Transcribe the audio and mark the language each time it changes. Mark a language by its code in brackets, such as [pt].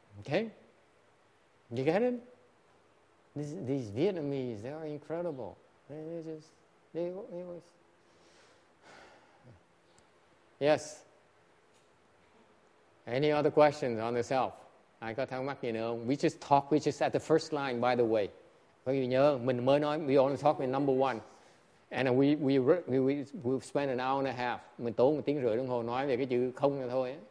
[en] You get it? These Vietnamese, they are incredible. They always. Yes. Any other questions on the self? I got [vi] thắc mắc gì nữa không? [en] We just at the first line, by the way. [vi] Các bạn nhớ, mình mới nói, [en] we only talk in number one. And we spend an hour and a half. [vi] Mình tốn 1.5 tiếng đồng hồ nói về cái chữ không thôi.